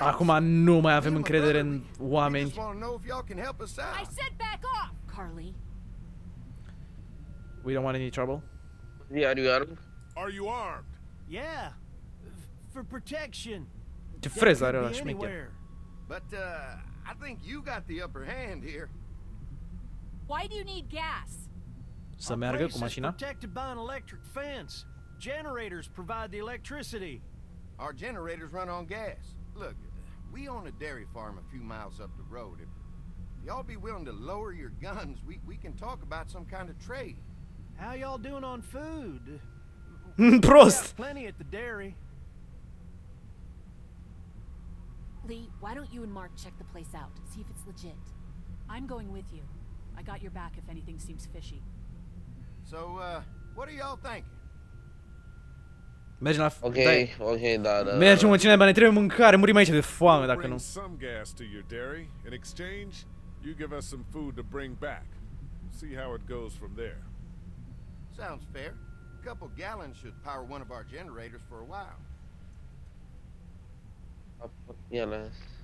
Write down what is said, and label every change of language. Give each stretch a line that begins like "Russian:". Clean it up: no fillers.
Romanian: Acum nu mai avem încredere în oameni.
English: We just wanna know if y'all can help us out. I said back off, Carly. We don't want any trouble. Yeah, are you armed? Are you armed? Yeah. For protection.
Romanian: De freză are ăla șmecher.
English: But I think you got the upper hand here. Why do you need gas?
Romanian: Să meargă cu mașina?
English: Protected by an electric fence. Generators provide the electricity. Our generators run on gas. Look, we own a dairy farm a few miles up the road. If y'all be willing to lower your guns, we can talk about some kind of trade. How y'all doing on food?
Romanian: Prost.
English: Plenty at the dairy. Lee, why don't you and Mark check the place out? See if it's legit. I'm going with you. I got your back if anything seems fishy. So, what are y'all thinking?
Romanian: Mergem la... Okay, da. Mergem, mă, cineva, ne trebuie mâncare, murim aici de foame dacă nu.
English: Some gas to your dairy. In exchange, you give us some food to bring back. See how it goes from there. Sounds fair. A couple gallons should power one of our generators for a while. Yeah, nice.